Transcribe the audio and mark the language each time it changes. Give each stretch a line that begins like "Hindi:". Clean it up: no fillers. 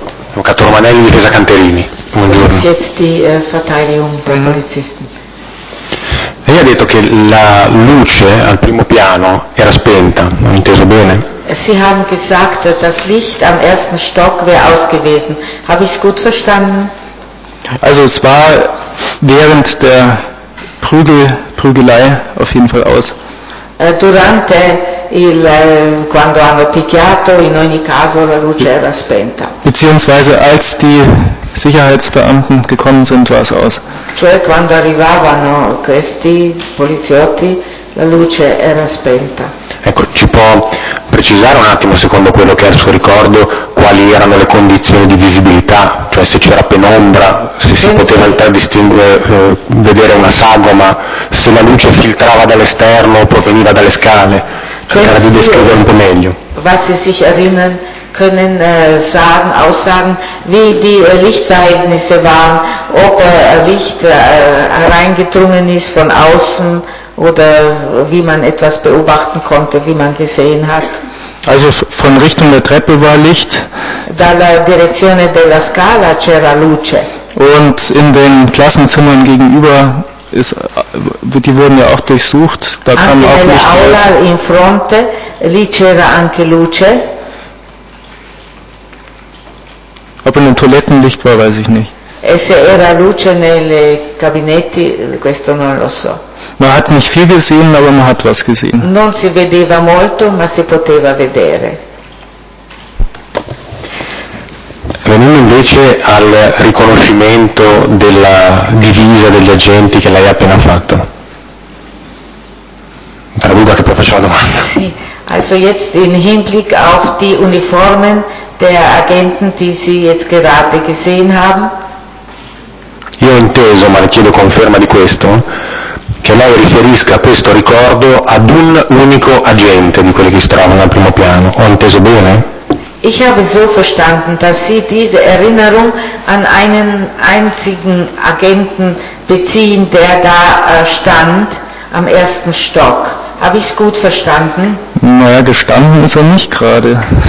Italian: Avvocato Romanelli, difesa Canterini. Buongiorno. Lei ha detto che la luce al primo piano era spenta, non ho inteso bene?
German: Sie haben gesagt, das Licht am ersten Stock wäre ausgewesen. Habe ich es gut verstanden? Also es war während der Prügelei auf jeden Fall aus.
Italian: Durante il quando hanno picchiato, in ogni caso la luce era spenta.
German: Beziehungsweise als die Sicherheitsbeamten gekommen sind, war es aus.
Italian: Cioè quando arrivavano questi poliziotti la luce era spenta. Ecco, ci può precisare un attimo, secondo quello che è il suo ricordo, quali erano le condizioni di visibilità, cioè se c'era penombra, se si poteva distinguere, vedere una sagoma, se la luce filtrava dall'esterno o proveniva dalle scale, cercare di descrivere un po' meglio.
German: Was Sie sich erinnern können sagen, aussagen, wie die Lichtverhältnisse waren, ob Licht hereingedrungen ist von außen oder wie man etwas beobachten konnte, wie man gesehen hat. Also von Richtung der Treppe war Licht.
Italian: Dalla direzione della scala c'era luce.
German: Und in den Klassenzimmern gegenüber, die wurden ja auch durchsucht, da
Italian: anche
German: kam auch Licht
Italian: aula
German: raus.
Italian: In fronte, lì c'era anche luce.
German: Ob in den Toiletten Licht war, weiß ich nicht.
Italian: E se era luce nelle cabinetti, questo non lo so.
German: Man hat nicht viel gesehen, aber man hat was gesehen.
Italian: Non si vedeva molto, ma si poteva vedere. Venendo invece al riconoscimento della divisa degli agenti che lei ha appena fatto. Traduca che poi faccio la domanda.
German: Sì, also jetzt in Hinblick auf die Uniformen der Agenten, die Sie jetzt gerade gesehen haben.
Italian: Io ho inteso, ma le chiedo conferma di questo, che lei riferisca questo ricordo ad un unico agente di quelli che si trovano al primo piano. Ho inteso bene?
German: Ich habe so verstanden, dass Sie diese Erinnerung an einen einzigen Agenten beziehen, der da stand am ersten Stock. Habe ich es gut verstanden? Naja, gestanden ist er nicht gerade.